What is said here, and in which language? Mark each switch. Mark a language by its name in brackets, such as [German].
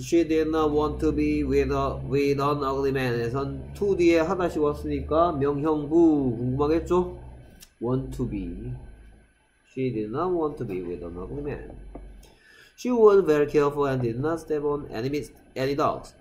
[English] She did not want to be with an ugly man. [Korean] 에선 to 뒤에 하나씩 왔으니까 명형부 궁금하겠죠? [English] Want to be. She did not want to be with an ugly man. She was very careful and did not step on any dogs.